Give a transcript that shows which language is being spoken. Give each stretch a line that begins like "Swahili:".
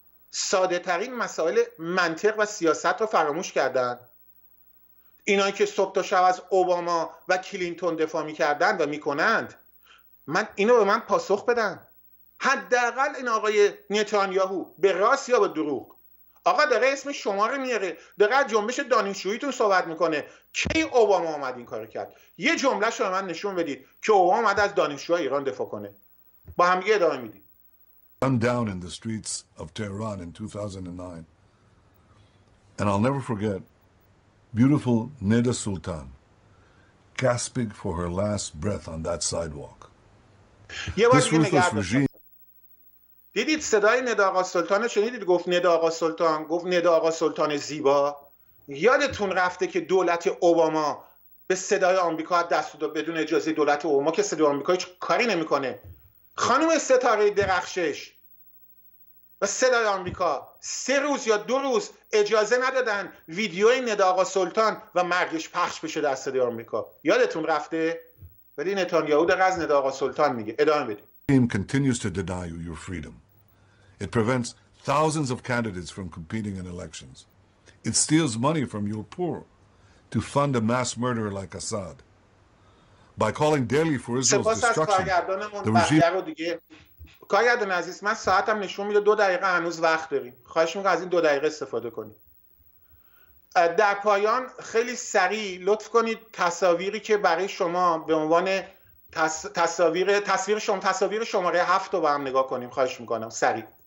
Persian: ساده ترین مسائل منطق و سیاست رو فراموش کردن؟ اینایی که صبح تا شب از اوباما و کلینتون دفاع میکردن و میکنند، من اینو به من پاسخ بدن. حداقل این آقای نتانیاهو به راست یا به دروغ، آقا داره اسم شما رو میاره، داره از جنبش دانشجوییتون صحبت میکنه، کی اوباما اومد این کارو کرد؟ یه جمله شما من نشون بدید که اوباما اومد از دانشجوهای ایران دفاع کنه. با هم دیگه ادامه میدیم.
English: Gunned down in the streets of Tehran in 2009. And I'll never forget beautiful Neda Sultan gasping for her last breath on that sidewalk. This ruthless regime.
Persian: دیدید صدای ندا آقا سلطان رو شنیدید؟ گفت ندا آقا سلطان، گفت ندا آقا سلطان زیبا. یادتون رفته که دولت اوباما به صدای آمریکا دست داد بدون اجازه دولت اوباما، که صدای آمریکا هیچ کاری نمیکنه. خانم ستاره درخشش و صدای آمریکا سه روز یا دو روز اجازه ندادن ویدیوی ندا آقا سلطان و مرگش پخش بشه در صدای آمریکا. یادتون رفته؟ ولی نتانیاهو در از ندا آقا سلطان میگه. ادامه بدید.
English: Continues to deny you your freedom. It prevents thousands of candidates from competing in elections. It steals money from your poor to fund a mass murderer like Assad. By calling daily for Israel's destruction, the regime.
Persian: کارگردان عزیز، من ساعتم نشون میده 2 دقیقه هنوز وقت داریم. خواهش میکنم از این 2 دقیقه استفاده کنید. در پایان خیلی سریع لطف کنید تصاویری که برای شما به عنوان تصاویر شماره 7 رو با هم نگاه کنیم. خواهش میکنم سریع.